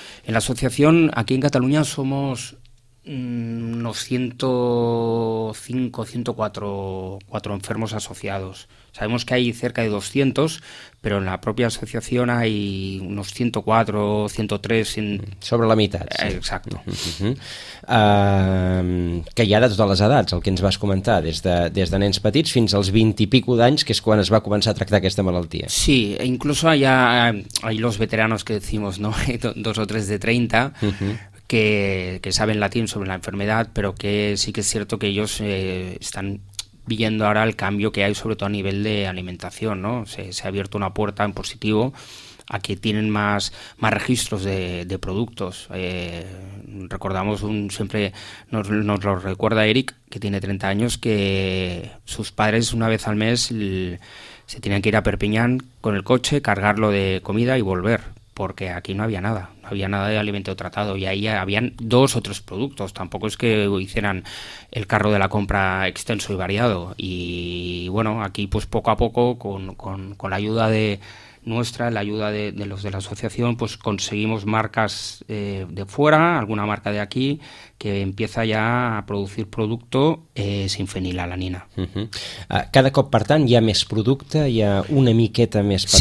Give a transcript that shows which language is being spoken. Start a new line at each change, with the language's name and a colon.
Spanish: En la asociación, aquí en Cataluña, somos unos 104 enfermos asociados. Sabemos que hay cerca de 200, pero en la propia asociación hay unos 104, 103...
Catalan: Sobre la meitat. Sí.
Spanish: Exacto.
Catalan: Que hi ha de totes les edats, el que ens vas comentar, des de nens petits fins als 20 i pico d'anys, que és quan es va començar a tractar aquesta malaltia.
Spanish: Sí, incluso hay los veteranos que decimos, ¿no? Dos o tres de 30... Que saben latín sobre la enfermedad, pero que sí que es cierto que ellos están viendo ahora el cambio que hay, sobre todo a nivel de alimentación, ¿no? Se ha abierto una puerta en positivo a que tienen más registros de productos. Recordamos, siempre nos lo recuerda Eric, que tiene 30 años, que sus padres una vez al mes se tenían que ir a Perpiñán con el coche, cargarlo de comida y volver, porque aquí no había nada. Había nada de alimento tratado, y ahí habían dos o tres productos. Tampoco es que hicieran el carro de la compra extenso y variado. Y bueno, aquí pues poco a poco, con la ayuda de nuestra, la ayuda de los de la asociación, pues conseguimos marcas de fuera, alguna marca de aquí, que empieza ya a producir producto sin fenilalanina.
Catalan: Cada cop, per tant, hi ha més producte, hi ha una miqueta més per